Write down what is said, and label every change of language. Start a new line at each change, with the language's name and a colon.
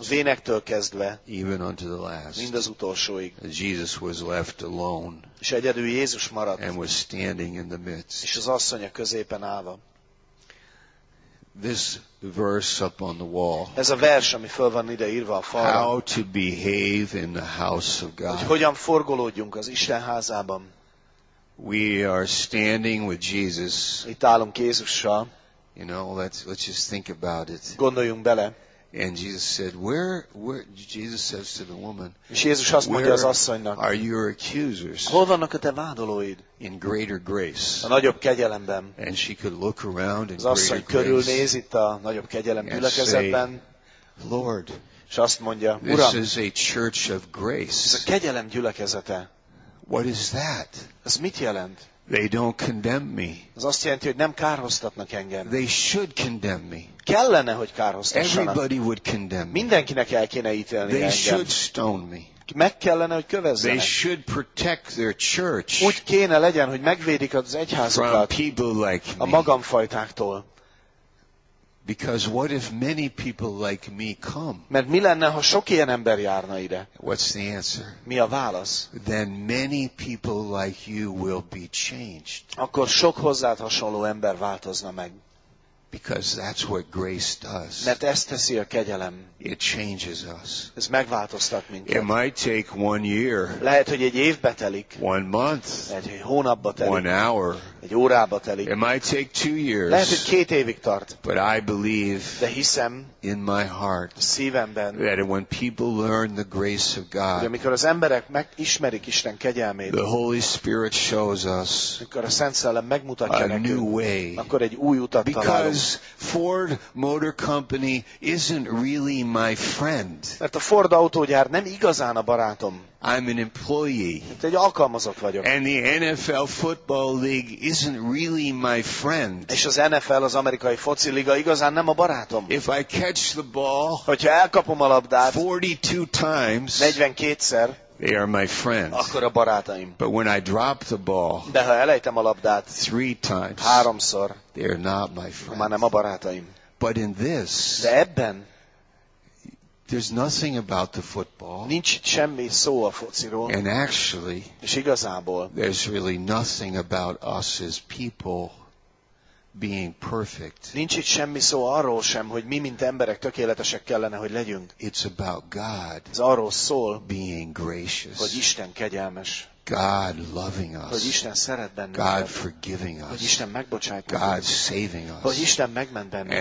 Hungarian: a vénektől kezdve,
English: even unto the last,
Hungarian: mind az utolsóig.
English: Jesus was left alone,
Hungarian: és egyedül Jézus maradt,
English: and was standing in the midst,
Hungarian: és az asszony a középen állva.
English: This verse up on the wall.
Hungarian: Ez a vers, ami föl van ide írva a falra.
English: How to behave in the house of God.
Hungarian: Hogy hogyan forgolódjunk az Isten házában.
English: We are standing with Jesus.
Hungarian: Itt állunk Jézussal.
English: You know, let's just think about it.
Hungarian: Gondoljunk bele.
English: And Jesus said, where Jesus says to the woman.
Hungarian: És Jézus azt mondja az asszonynak.
English: Are your accusers?
Hungarian: Hol vannak a te vádolóid?
English: In greater grace.
Hungarian: A nagyobb kegyelemben.
English: And she could look around in
Hungarian: az asszony körülnéz itt a nagyobb kegyelem gyülekezetben.
English: Lord.
Hungarian: És azt mondja,
English: Uram. This is a church of grace.
Hungarian: Ez a kegyelem gyülekezete.
English: What is that?
Hungarian: Ez mit jelent?
English: They don't condemn me.
Hungarian: Ez azt jelenti, hogy nem kárhoztatnak engem.
English: They should condemn me.
Hungarian: Kellene, hogy kárhoztassanak.
English: Everybody would condemn me.
Hungarian: Mindenkinek el kéne ítélni
English: they
Hungarian: engem.
English: They should stone me.
Hungarian: Meg kellene, hogy kövezzenek.
English: They should protect their church.
Hungarian: Úgy kéne legyen, hogy megvédik az egyházukat.
English: From people like me.
Hungarian: A magamfajtáktól.
English: Because what if many people like me come?
Hungarian: Mert mi lenne, ha sok ilyen ember járna ide?
English: What's the answer?
Hungarian: Mi a válasz?
English: Then many people like you will be changed.
Hungarian: Akkor sok hozzád hasonló ember változna meg.
English: Because that's what grace does.
Hungarian: Mert ezt teszi a kegyelem.
English: It changes us.
Hungarian: Ez megváltoztat minket.
English: It might take 1 year.
Hungarian: Lehet, hogy egy évbe telik.
English: 1 month.
Hungarian: Lehet, hogy hónapba telik.
English: 1 hour.
Hungarian: Egy órába telik.
English: It might take 2 years.
Hungarian: Lehet, hogy 2 évig tart.
English: But I believe.
Hungarian: De hiszem.
English: In my heart.
Hungarian: Szívemben.
English: That when people learn the grace of God.
Hungarian: Hogy amikor az emberek megismerik Isten kegyelmét.
English: The Holy Spirit shows us.
Hungarian: Amikor a Szent Szellem megmutatja
English: nekünk. A new way.
Hungarian: Akkor egy új utat találunk.
English: Ford Motor Company isn't really my friend.
Hungarian: Mert a Ford autógyár nem igazán a barátom.
English: I'm an employee.
Hungarian: Hát egy alkalmazott vagyok.
English: And the NFL football league isn't really my friend.
Hungarian: És az NFL, az amerikai foci liga igazán nem a barátom.
English: If I catch the ball,
Hungarian: hogyha elkapom a labdát
English: 42 times,
Hungarian: 42-szer,
English: they are my friends.
Hungarian: Akkor a barátaim.
English: But when I drop the ball,
Hungarian: de ha elejtem a labdát
English: 3 times,
Hungarian: háromszor,
English: they are not my friends.
Hungarian: Már nem a barátaim.
English: But in this,
Hungarian: de ebben,
English: there's nothing about the football.
Hungarian: Nincs semmi szó a fociról.
English: And actually,
Hungarian: és igazából,
English: there's really nothing about us as people being perfect.
Hungarian: Nincs itt semmi szó arról sem, hogy mi mint emberek tökéletesek kellene, hogy legyünk.
English: It's about God.
Hungarian: Ez arról szól,
English: being gracious.
Hungarian: Hogy Isten kegyelmes.
English: God loving us.
Hungarian: Hogy Isten szeret bennünket.
English: God forgiving us.
Hungarian: Hogy Isten megbocsát bennünket.
English: God saving us.
Hungarian: Hogy Isten megment bennünket.